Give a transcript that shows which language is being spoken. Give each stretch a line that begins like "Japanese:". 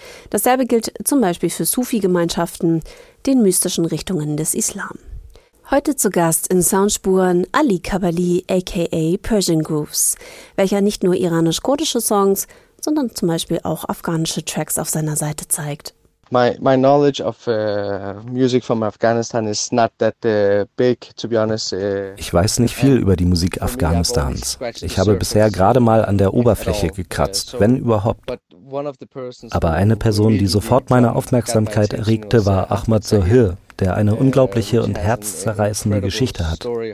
German: Dasselbe gilt zum Beispiel für Sufi-Gemeinschaften, den mystischen Richtungen des Islam. Heute zu Gast in Soundspuren Ali Kabali aka Persian Grooves, welcher nicht nur iranisch-kurdische Songs, sondern zum Beispiel auch afghanische Tracks auf seiner Seite zeigt.
English: My knowledge of music from Afghanistan is not that big, to be honest.
German: Ich weiß nicht viel über die Musik Afghanistans. Ich habe bisher gerade mal an der Oberfläche gekratzt, wenn überhaupt. Aber eine Person, die sofort meine Aufmerksamkeit erregte, war Ahmad Zahir, der eine unglaubliche und herzzerreißende Geschichte hat.